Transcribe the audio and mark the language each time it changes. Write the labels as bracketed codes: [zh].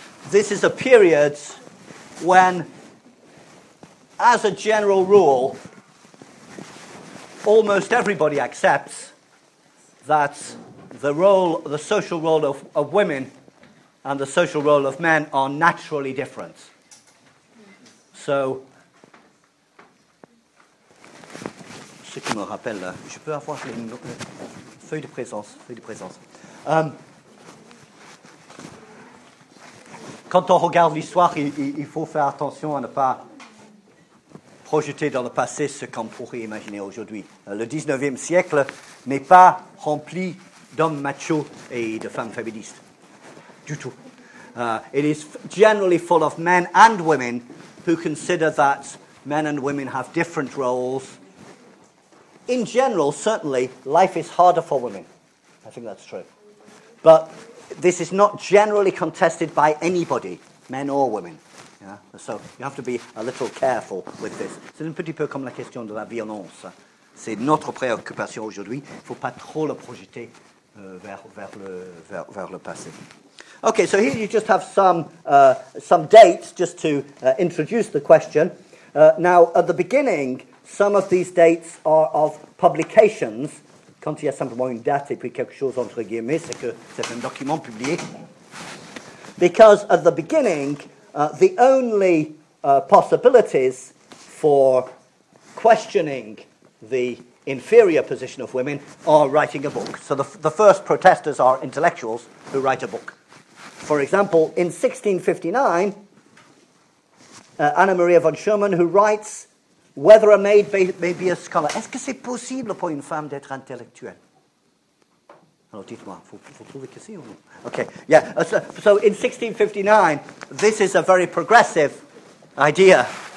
[en] This is a period when, as a general rule, almost everybody accepts that the social role of women and the social role of men are naturally different. [fr] So, ce qui me rappelle, je peux avoir une feuille de présence. Quand on regarde l'histoire, il faut faire attention à ne pas projeter dans le passé ce qu'on pourrait imaginer aujourd'hui. Le 19e siècle n'est pas rempli d'hommes machos et de femmes féministes, du tout. [en] It is generally full of men and women who consider that men and women have different roles. In general, certainly, life is harder for women. I think that's true. But this is not generally contested by anybody, men or women. Yeah, so you have to be a little careful with this. [fr] C'est un petit peu comme la question de la violence. C'est notre préoccupation aujourd'hui. Il ne faut pas trop le projeter vers le passé. [en] Okay, so here you just have some dates just to introduce the question. Now, at the beginning, some of these dates are of publications. [fr] Quand il y a simplement une date et puis quelque chose entre guillemets, c'est que c'est un document publié. [en] Because at the beginning, the only possibilities for questioning the inferior position of women are writing a book. So the first protesters are intellectuals who write a book. For example, in 1659, Anna Maria von Schumann, who writes whether a maid may be a scholar. [fr] Est-ce que c'est possible pour une femme d'être intellectuelle? Alors, dites-moi, faut trouver que c'est ou non? [en] Okay, yeah. So in 1659, this is a very progressive idea.